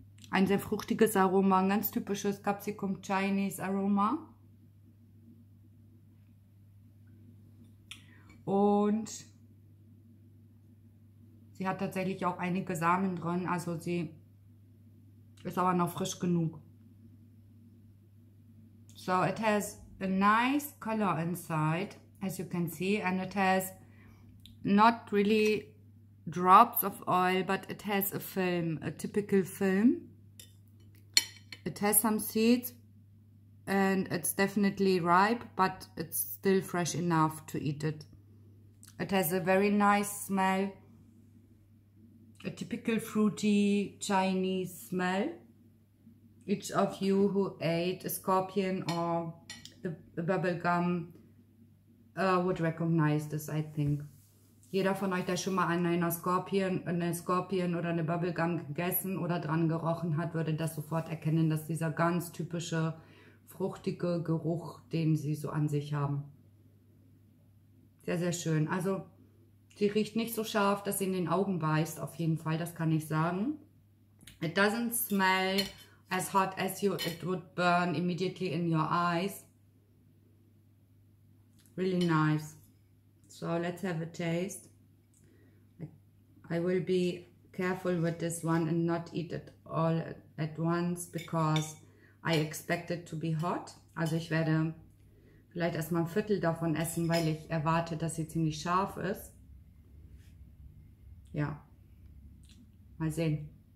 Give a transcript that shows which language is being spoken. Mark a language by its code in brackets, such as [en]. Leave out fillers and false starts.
[de] Ein sehr fruchtiges Aroma, ein ganz typisches Capsicum Chinese Aroma. Und sie hat tatsächlich auch einige Samen drin, also sie ist aber noch frisch genug. [en] So, it has a nice color inside, as you can see, and it has not really drops of oil, but it has a film, a typical film. It has some seeds and it's definitely ripe, but it's still fresh enough to eat it. It has a very nice smell, a typical fruity Chinese smell. Each of you who ate a scorpion or the bubble gum would recognize this, I think. [de] Jeder von euch, der schon mal eine Scorpion oder eine Bubble Gum gegessen oder dran gerochen hat, würde das sofort erkennen, dass dieser ganz typische fruchtige Geruch, den sie so an sich haben. Sehr, sehr schön. Also, sie riecht nicht so scharf, dass sie in den Augen beißt, auf jeden Fall, das kann ich sagen. [en] It doesn't smell as hot as you, it would burn immediately in your eyes. Really nice. So, let's have a taste. I will be careful with this one and not eat it all at once because I expect it to be hot. [de] Also, ich werde vielleicht erstmal ein Viertel davon essen, weil ich erwarte, dass sie ziemlich scharf ist. Ja, mal sehen.